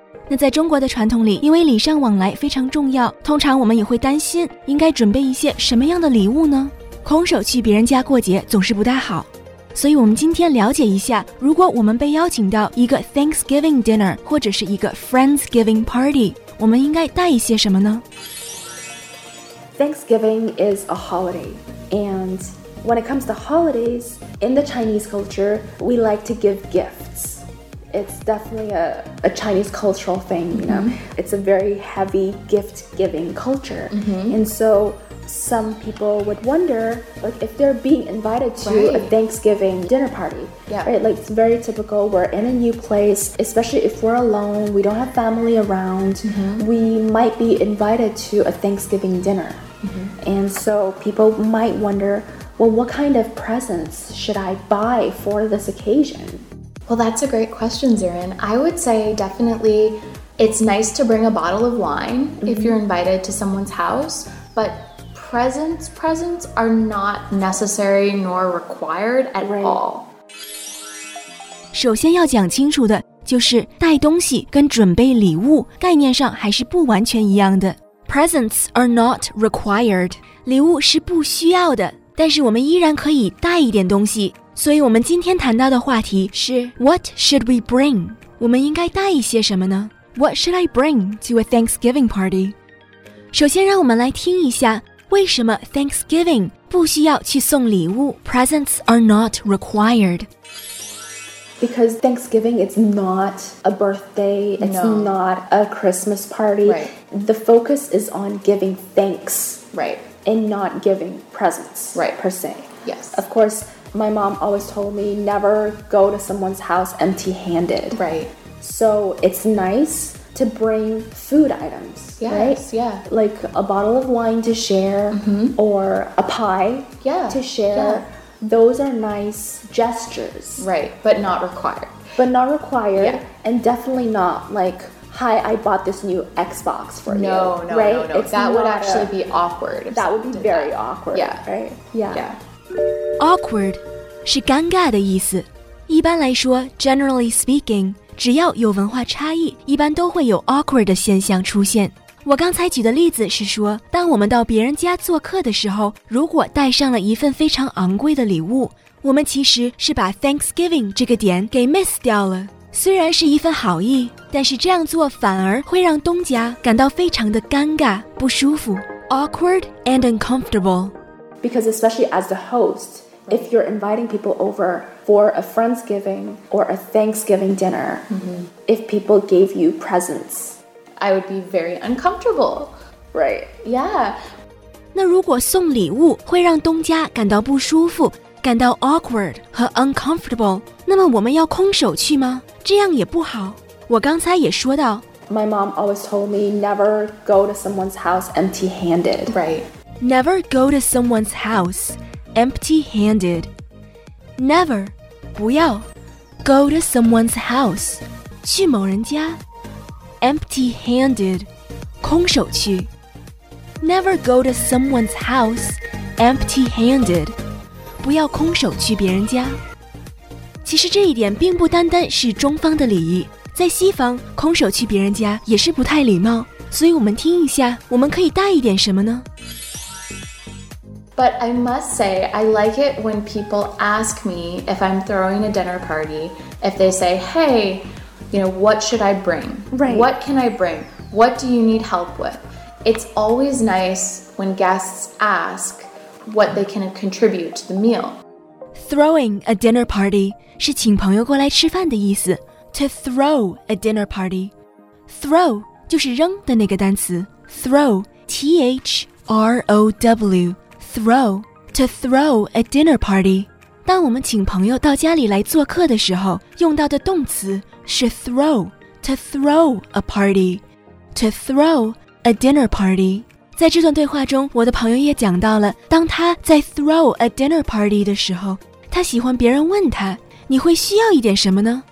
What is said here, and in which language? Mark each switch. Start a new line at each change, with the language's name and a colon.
Chinese: 那在中国的传统里，因为礼尚往来非常重要，通常我们也会担心应该准备一些什么样的礼物呢？空手去别人家过节总是不大好，所以我们今天了解一下，如果我们被邀请到一个 Thanksgiving dinner 或者是一个 Friendsgiving party， 我们应该带一些什么呢？
English: Thanksgiving is a holiday and when it comes to holidays in the Chinese culture we like to give giftsIt's definitely a Chinese cultural thing, you know. Mm-hmm. It's a very heavy gift-giving culture. Mm-hmm. And so some people would wonder, like, if they're being invited to a Thanksgiving dinner party. Yeah. Right? Like, it's very typical. We're in a new place, especially if we're alone. We don't have family around. Mm-hmm. We might be invited to a Thanksgiving dinner. Mm-hmm. And so people might wonder, well, what kind of presents should I buy for this occasion? Well, that's a great question, Zirin. I would say definitely it's nice to bring a bottle of wine、mm-hmm. if you're invited to someone's house, but presents are not necessary nor required at、 right. all.
Chinese: 首先要讲清楚的就是带东西跟准备礼物概念上还是不完全一样的。
English: Presents are not required.
Chinese: 礼物是不需要的，但是我们依然可以带一点东西。所以我们今天谈到的话题是
English: What should we bring?
Chinese: 我们应该带一些什么呢？
English: What should I bring to a Thanksgiving party?
Chinese: 首先让我们来听一下为什么 Thanksgiving 不需要去送礼物。
English: Presents are not required. Because Thanksgiving is not a birthday, it's、 no. not a Christmas party.、 Right. The focus is on giving thanks、 right. and not giving presents、 right. per se. Yes. Of course,My mom always told me never go to someone's house empty-handed. Right. So it's nice to bring food items. Yes, Yeah. Like a bottle of wine to share、 mm-hmm. or a pie、 yeah. to share.、 Yeah. Those are nice gestures. Right, but not required. But not required、 yeah. and definitely not like... Hi, I bought this new Xbox for no, you. No, right? No, no, no. That would actually be awkward. That would be very awkward. Yeah. Right? Yeah. Yeah.
Chinese: Awkward 是尴尬的意思。一般来说
English: generally speaking,
Chinese: 只要有文化差异一般都会有 awkward 的现象出现。我刚才举的例子是说当我们到别人家做客的时候如果带上了一份非常昂贵的礼物我们其实是把 Thanksgiving 这个点给 miss 掉了。虽然是一份好意，但是这样做反而会让东家感到非常的尴尬，不舒服。
English: Awkward and uncomfortable. Because especially as the host, if you're inviting people over for a Friendsgiving or a Thanksgiving dinner,、 mm-hmm. if people gave you presents, I would be very uncomfortable. Right. Yeah.
Chinese: 那如果送礼物会让东家感到不舒服，感到 awkward 和 uncomfortable, 那么我们要空手去吗？这样也不好。我刚才也说到
English: My mom always told me never go to someone's house empty-handed. Right. Never go to someone's house empty-handed. Never,
Chinese: 不要
English: go to someone's house,
Chinese: 去某人家
English: empty-handed,
Chinese: 空手去
English: Never go to someone's house empty-handed.
Chinese: 不要空手去别人家。其实这一点并不单单是中方的礼仪，在西方空手去别人家也是不太礼貌。所以我们听一下，我们可以带一点什么呢？
English: But I must say, I like it when people ask me if I'm throwing a dinner party, if they say, hey, you know, what should I bring? Right. What can I bring? What do you need help with? It's always nice when guests ask,what they can contribute to the meal. throwing a dinner party
Chinese: 是请朋友过来吃饭的意思。
English: To throw a dinner party.
Chinese: Throw 就是扔的那个单词。
English: Throw, T-H-R-O-W, throw, to throw a dinner party.
Chinese: 当我们请朋友到家里来做客的时候，用到的动词是 throw,
English: to throw a party, to throw a dinner party.
Chinese: 在这段对话中，我的朋友也讲到了，当他在
English: throw a dinner party
Chinese: 的时候，他喜欢别人问他，你会需要一点什么呢？